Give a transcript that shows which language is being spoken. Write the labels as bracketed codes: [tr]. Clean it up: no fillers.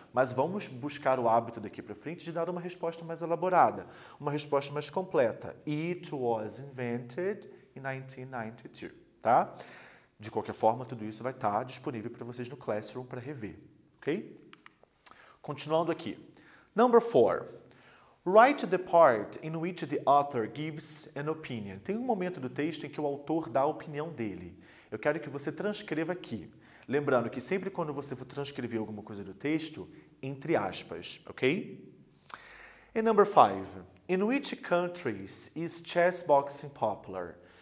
[pt] Mas vamos buscar o hábito daqui para frente de dar uma resposta mais elaborada, uma resposta mais completa. [en] It was invented in 1992. Tá? [pt] De qualquer forma, tudo isso vai estar disponível para vocês no Classroom para rever. Ok? Continuando aqui. [en] Number 4. Write the part in which the author gives an opinion. [pt] Tem um momento do texto em que o autor dá a opinião dele. Eu quero que você transcreva aqui. Lembrando que sempre quando você for transcrever alguma coisa do texto, entre aspas, ok? [en] And number 5. In which countries is chess boxing popular?